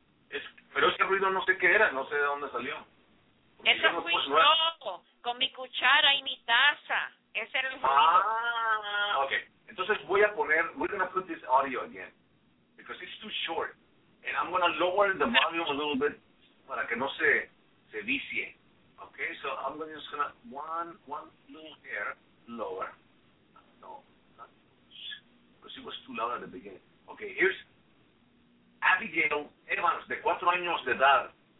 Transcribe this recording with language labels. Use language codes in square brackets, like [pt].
[es] Pero ese ruido no sé qué era, no sé de dónde salió. Porque ese fui yo, con mi cuchara y mi taza. Ese era el ruido. [en] Ok, entonces we're going to put this audio again. Because it's too short. And I'm going to lower the volume a little bit para que no se vicie. Ok, so I'm just going to one little hair lower. No, not much. Because it was too loud at the beginning. Ok, here's Abigail Evans, de 4 años de edad.